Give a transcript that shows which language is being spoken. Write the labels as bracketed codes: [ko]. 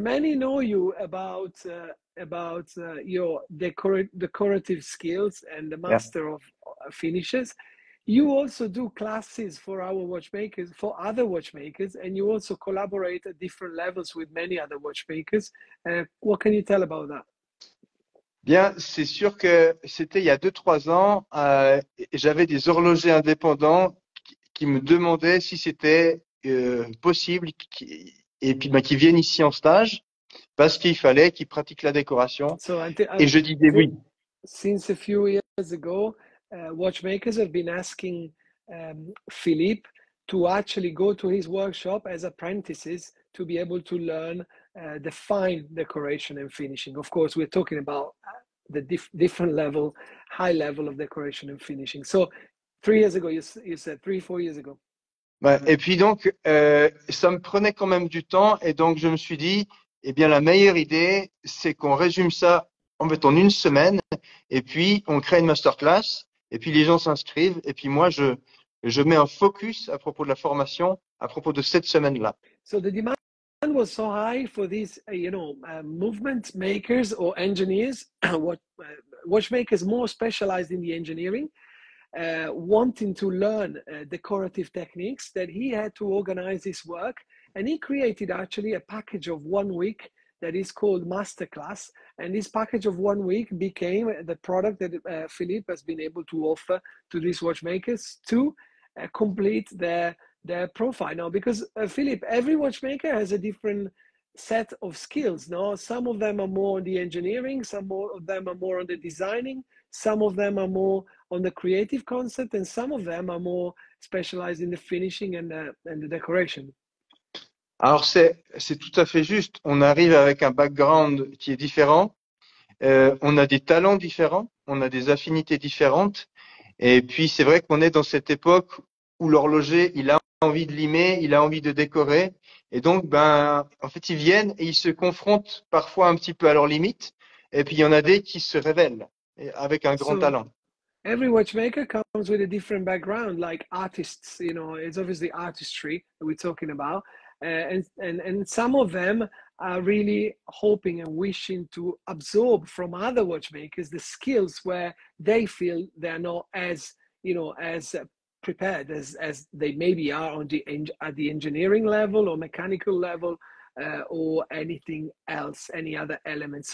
[en] Many know you about your decorative skills and the master of finishes. You also do classes for our watchmakers, for other watchmakers, and you also collaborate at different levels with many other watchmakers. What can you tell about that? [fr] Bien, c'est sûr que c'était il y a 2-3 ans, j'avais des horlogers indépendants qui me demandaient si c'était possible qui viennent ici en stage parce qu'il fallait qu'ils pratiquent la décoration. Et je disais oui. [en] Since a few years ago, watchmakers have been asking Philippe to actually go to his workshop as apprentices to be able to learn the fine decoration and finishing. Of course, we're talking about the different level, high level of decoration and finishing. So, 3 years ago, you said, 3-4 years ago. [fr] Bah, et puis donc, ça me prenait quand même du temps, et donc je me suis dit, eh bien, la meilleure idée, c'est qu'on résume ça en fait en une semaine, et puis on crée une masterclass, et puis les gens s'inscrivent, et puis moi, je mets un focus à propos de la formation, à propos de cette semaine-là. [en] So the demand was so high for these movement makers or engineers, watchmakers more specialized in the engineering, wanting to learn decorative techniques, that he had to organize this work, and he created actually a package of 1 week that is called Masterclass, and this package of 1 week became the product that Philippe has been able to offer to these watchmakers to complete their profile now, because Philippe, every watchmaker has a different set of skills. No, some of them are more on the engineering, some of them are more on the designing, some of them are more on the creative concept, and some of them are more specialized in the finishing and the decoration. [fr] Alors c'est tout à fait juste. On arrive avec un background qui est différent. On a des talents différents. On a des affinités différentes. Et puis c'est vrai qu'on est dans cette époque où l'horloger il a envie de limer, il a envie de décorer, Et donc, ben, en fait, ils viennent et ils se confrontent parfois un petit peu à leurs limites. Et puis, il y en a des qui se révèlent avec un grand [en] So [fr] talent. [en] every watchmaker comes with a different background, like artists, you know, it's obviously artistry that we're talking about. And some of them are really hoping and wishing to absorb from other watchmakers the skills where they feel they're not as, you know, as prepared as they maybe are on the at the engineering level or mechanical level, or anything else, any other element.